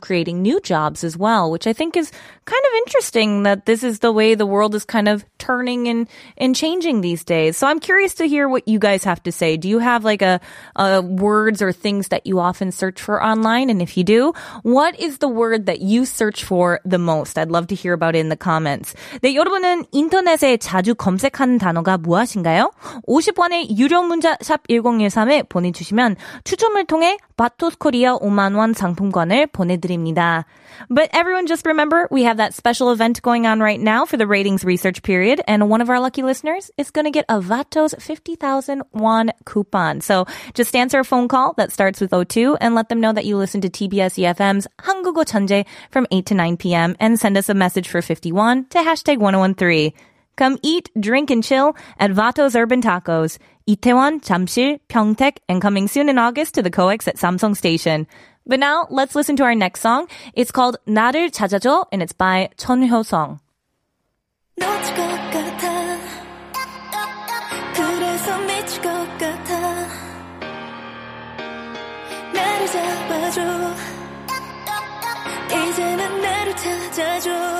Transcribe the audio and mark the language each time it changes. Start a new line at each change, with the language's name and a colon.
English: creating new jobs as well, which I think is kind of interesting that this is the way the world is kind of turning and changing these days. So I'm curious to hear what you guys have to say. Do you have like a words or things that you often search for online? And if you do, what is the word that you search for the most? I'd love to hear about it in the comments.
Korean: 네, 여러분은 인터넷에 자주 검색하는 단어가 무엇인가요? 50원의 유료 문자 샵 1013에 보내주시면 추첨을 통해 바토스 코리아 5만 원 상품권을 보내드립니다.
English: But everyone, just remember, we have that special event going on right now for the ratings research period, and one of our lucky listeners is going to get a Vato's 50,000 won coupon. So just answer a phone call that starts with 02 and let them know that you listen to TBS EFM's 한국어 천재 from 8 to 9 p.m. and send us a message for 51 to hashtag 1013. Come eat, drink, and chill at Vato's Urban Tacos, 이태원, 잠실, 평택, and coming soon in August to the Coex at Samsung Station. But now, let's listen to our next song. It's called 나를 찾아줘, and it's by 전효성.
Korean: 놓칠 것 같아 그래서 미칠 것 같아 나를 잡아줘 이제는 나를 찾아줘